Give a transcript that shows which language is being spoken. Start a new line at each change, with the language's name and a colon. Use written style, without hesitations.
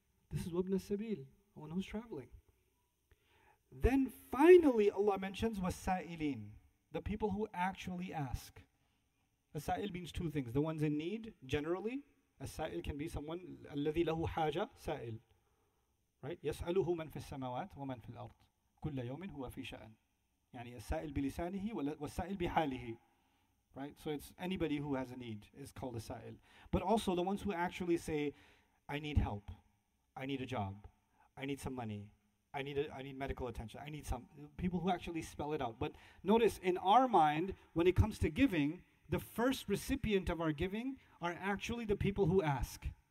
English: This is Wabna Sabil, the one who's traveling. Then finally, Allah mentions Wasa'ilin. The people who actually ask. As-sa'il means two things. The ones in need, generally. As-sa'il can be someone,
Arabic: الَّذِي لَهُ حَاجَةً سَائِل.
English: Right?
Arabic: يَسْأَلُهُ مَنْ فِي السَّمَوَاتِ وَمَنْ فِي الْأَرْضِ كُلَّ يَوْمٍ هُوَ فِي شَأْنٍ. يعني as-sa'il بِلِسَانِهِ وَالسَّائِل بِحَالِهِ.
English: Right? So it's anybody who has a need is called as-sa'il. But also the ones who actually say, I need help. I need a job. I need some money. I need medical attention. I need some people who actually spell it out. But notice, in our mind, when it comes to giving, the first recipient of our giving are actually the people who ask.